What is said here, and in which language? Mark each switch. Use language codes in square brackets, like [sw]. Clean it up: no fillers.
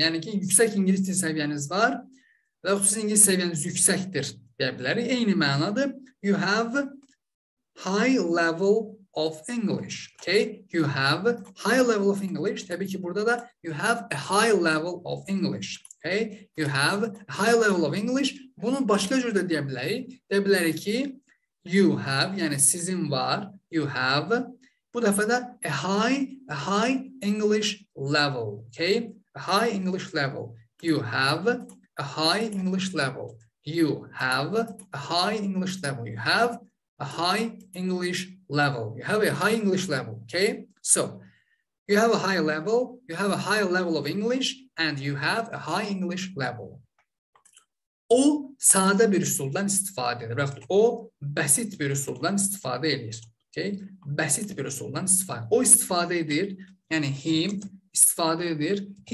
[az] Yəni ki, yüksək ingilis dili səviyyəniz var və yaxud sizin ingilis səviyyəniz yüksəkdir deyə bilərik. Eyni mənadır. [en] You have high level of English. Okay, you have high level of English. [az] Təbii ki, burada da [en] you have a high level of English. Okay, you have high level of English. [az] Bunu başqa cür də deyə bilərik. Deyə bilərik ki, you have, yəni sizin var, you have, bu dəfə də [en] a high English level. Okay, a high English level. You have a high English level. You have a high English level. You have a high English level. You have a high English level. Okay, so, you have a high level, you have a high level of English, and you have a high English level. [az] O, sadə bir üsuldan istifadə edir. Və yaxud o, bəsit bir üsuldan istifadə edir. Okay? Bəsit bir üsuldan istifadə edir. O istifadə edir, yəni him istifadə edir.